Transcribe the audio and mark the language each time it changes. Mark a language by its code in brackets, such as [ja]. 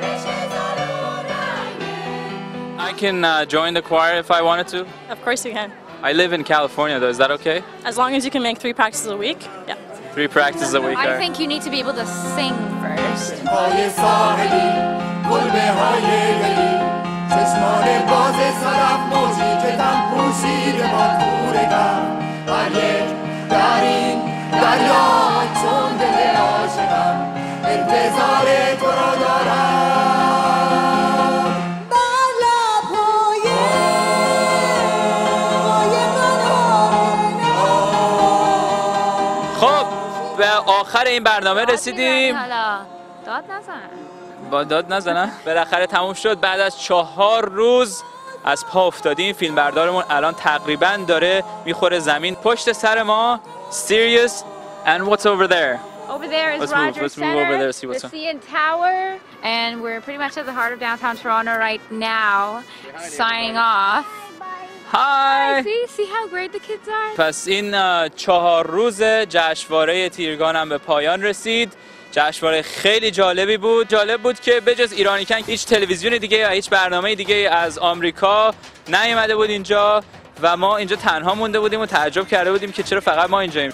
[en] I can join the choir if I wanted to? Of course you can. I live in California though, is that okay? As long as you can make three practices a week, yeah. Three practices a week. I think you need to be able to sing first. [fa] چشمان باز صدف موجی که دم پوشید با توره گم هر یک در این دریا چون دل عاشقم انتظار تو را خب به آخر این برنامه رسیدیم. داد نزن با داد نزنم. بالاخره تموم شد. بعد از 4 روز از پا افتادیم. فیلم بردارمون الان تقریبا داره میخوره زمین. پشت سر ما [en] Sirius. And what's over there? Over there is Rogers Centre. Let's move over there, see what's on. The CN Tower. And we're pretty much at the heart of downtown Toronto right now. Signing off. Hi. See how great the kids are. [fa] پس این 4 روز جشنواره تیرگانم به پایان رسید. جشنواره خیلی جالبی بود. جالب بود که بجز ایرانیکن هیچ تلویزیون دیگه یا هیچ برنامه دیگه از آمریکا نیومده بود اینجا و ما اینجا تنها مونده بودیم و تعجب کرده بودیم که چرا فقط ما اینجاییم.